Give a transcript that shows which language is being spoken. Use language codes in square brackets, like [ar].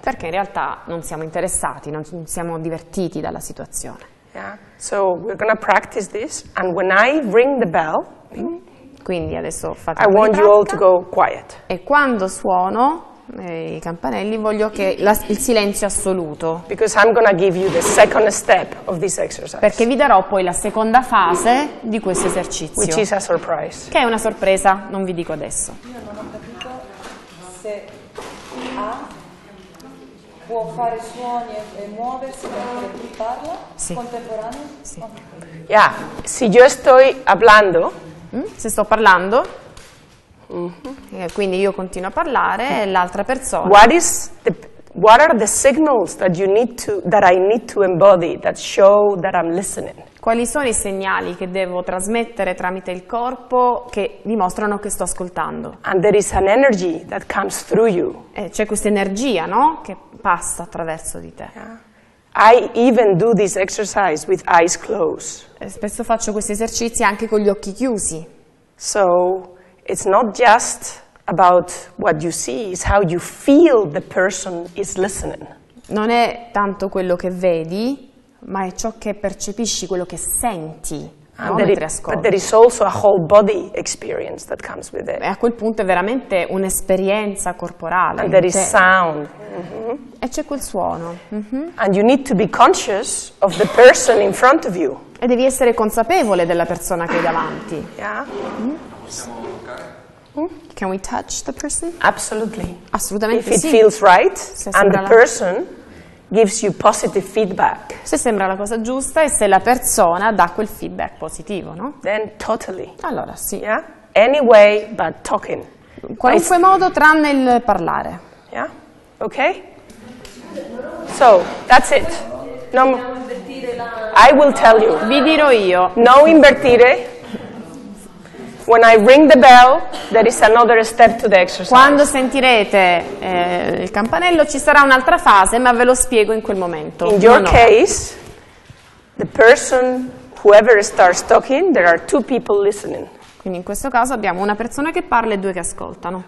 [it] Perché in realtà non siamo interessati, non siamo divertiti dalla situazione. [en] Yeah. So we're gonna practice this, and when I ring the bell. [it] Quindi adesso fate [en] I want you all to go quiet. [it] E quando suono i campanelli voglio che il silenzio assoluto. [en] Because I'm gonna give you the second step of this exercise. [it] Perché vi darò poi la seconda fase di questo esercizio. [en] Which is a surprise. [it] Che è una sorpresa, non vi dico adesso. Io non ho capito se può fare suoni e muoversi mentre qui parla? Sì. Contemporaneo? Sì. Okay. Yeah. Se io sto parlando? Se sto parlando? Quindi io continuo a parlare e l'altra persona. [en] What are the signals that you need to that I need to embody that show that I'm listening? [it] Quali sono i segnali che devo trasmettere tramite il corpo che dimostrano che sto ascoltando? [en] And there is an energy that comes through you. [it] C'è questa energia, no? Che passa attraverso di te. [en] I even do this exercise with eyes closed. [it] Spesso faccio questi esercizi anche con gli occhi chiusi. [en] So it's not just about what you see, it's how you feel the person is listening. [it] Non è tanto quello che vedi, ma è ciò che percepisci, quello che senti, no? Mentre ascolti. [en] But there is also a whole body experience that comes with it. [it] E a quel punto è veramente un'esperienza corporale. [en] And there is sound. [it] E c'è quel suono. [en] And you need to be conscious of the person in front of you. [it] E devi essere consapevole della persona che hai davanti. [en] Can we touch the person? Absolutely. [it] Assolutamente [en] If [it] sì. [en] If it feels right and the person gives you positive feedback. [it] Se sembra la cosa giusta e se la persona dà quel feedback positivo, no? [en] Then totally. [it] Allora, sì. [en] Yeah? Anyway, but talking. [it] Qualunque modo tranne il parlare. [en] Yeah? Okay? So, that's it. No, I will tell you. [it] Vi dirò io. No invertire. [en] When I ring the bell, there is another step to the exercise. [it] Quando sentirete il campanello, ci sarà un'altra fase, ma ve lo spiego in quel momento. [en] In your case, the person, whoever starts talking, there are two people listening. [it] Quindi in questo caso abbiamo una persona che parla e due che ascoltano.